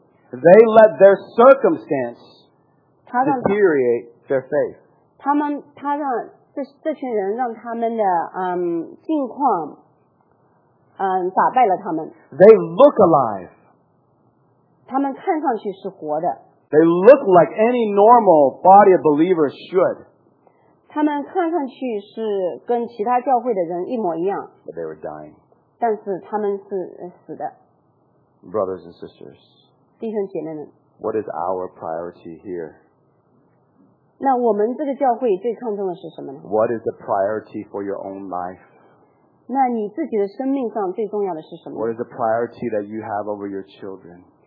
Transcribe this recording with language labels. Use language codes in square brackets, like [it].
[en] They let their circumstance deteriorate their faith. [zh] 他让这群人让他们的境况打败了他们。 [en] They look alive. [zh] 他们看上去是活的。 [en] They look like any normal body of believers should. [zh] 他们看上去是跟其他教会的人一模一样。 [en] But they were dying. [zh] 但是他们是死的。 [en] Brothers and sisters. [zh] 弟兄姐妹们, [en] what is our priority here? [zh] 那我们这个教会最看重的是什么呢? [en] What is the priority for your own life? [zh] 那你自己的生命上最重要的是什么? [en] What is the priority that you have over your children?